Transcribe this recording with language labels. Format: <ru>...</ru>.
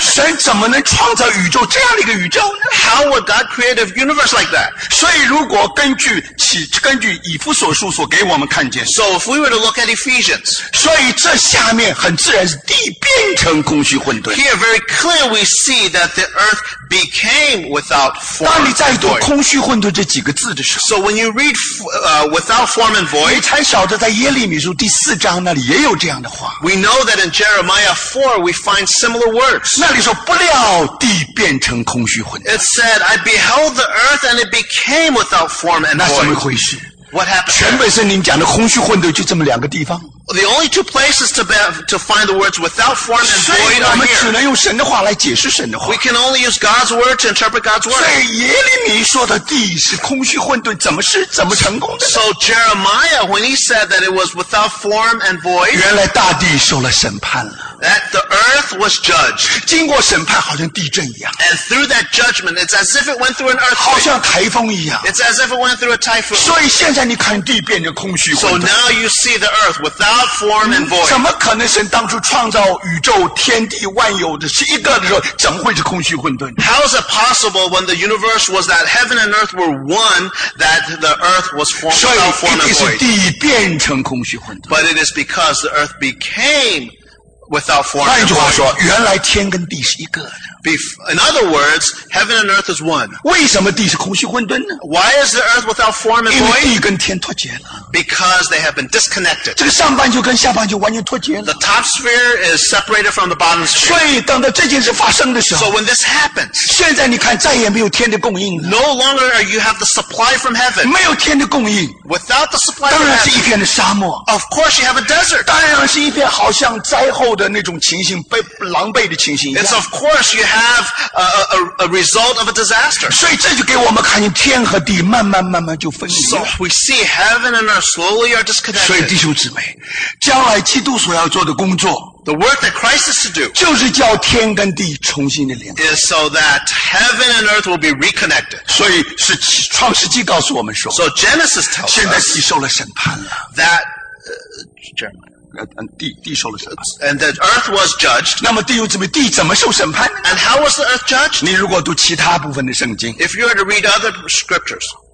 <zh>神怎么能创造宇宙这样的一个宇宙呢</zh> <en>？How would God create a universe like that?</en> <zh>所以如果根据以弗所书所给我们看见</zh> <en>，So if we were to look at Ephesians,</en> <zh>所以这下面很自然是地变成空虚混沌。</zh> <en>Here, very clear, we see that. That the earth became without form.</en> <zh>当你再读空虚混沌这几个字的时候</zh> <en>，So when you read without form and void,</en> <zh>你才晓得在耶利米书第四章那里也有这样的话。</zh> <en>We know that in Jeremiah 4 we find similar words.</en> <zh>那里说不料地变成空虚混沌。</zh> <en>It said, I beheld the earth and it became without form and void.</en> <zh>那怎么回事？</zh> <en>What happened?</en> <zh>全本圣经讲的空虚混沌就这么两个地方。</zh> <en>The only two places to find the words without form and void are here.</en> <zh>所以我们只能用神的话来解释神的话。</zh> <en>We can only use God's word to interpret God's word.</en> <zh>在耶利米说的地是空虚混沌，怎么成功的呢？</zh> <en>So Jeremiah, when he said that it was without form and void,</en> <zh>原来大地受了审判了。</zh> <en>That the earth was judged.</en> <zh>经过审判好像地震一样。</zh> <en>And through that judgment, it's as if it went through an earthquake.</en> <zh>好像台风一样。</zh> <en>It's as if it went through a typhoon.</en> <zh>所以现在你看地变成空虚混沌。</zh> <en>So now you see the earth without form and void.</en> <zh>怎么可能神当初创造宇宙天地万有的是一个的时候怎么会是空虚混沌？</zh> <en>How is it possible when the universe was that heaven and earth were one that the earth was without form and void?</en> <zh>所以一定是地变成空虚混沌。</zh> <en>But it is because the earth became without form and void.</en> <zh>换句话说，原来天跟地是一个的。</zh> <en>In other words, heaven and earth is one.</en> <zh>为什么地是空虚混沌呢？</zh> <en>Why is the earth without form and void?</en> <zh>因为地跟天脱节了。</zh> <en>Because they have been disconnected.</en> <zh>这个上半球跟下半球完全脱节了。</zh> <en>The top sphere is separated from the bottom sphere.</en> <zh>所以等到这件事发生的时候。</zh> <en>So when this happens.</en> <zh>现在你看再也没有天的供应了。</zh> <en>No longer are you have the supply from heaven.</en> <zh>没有天的供应。</zh> <en>Without the supply from heaven.</en> <zh>当然是一片的沙漠。</zh> <en>Of course you have a desert.</en> <zh>当然是一片好像灾后的那种情形，被狼狈的情形一样。</zh> <en>It's of course you have a result of a disaster.</en> <zh>所以这就给我们看见天和地慢慢慢慢就分离了。</zh> <en>So we see heaven and earth slowly are disconnected.</en> <zh>所以弟兄姊妹，将来基督所要做的工作。</zh> <en>The work that Christ is to do</en> <zh>就是叫天跟地重新的联合</zh> <en>is so that heaven and earth will be reconnected.</en> <zh>所以是创世纪告诉我们说</zh> <en>So Genesis tells us</en> <zh>现在地受了审判了</zh> <en>that地</en> <zh>受了审判</zh> <en>and the earth was judged.</en> <zh>那么弟兄姊妹，地怎么受审判呢？</zh> <en>And how was the earth judged?</en> <zh>你如果读其他部分的圣经</zh> <en>If you were to read other scriptures</en>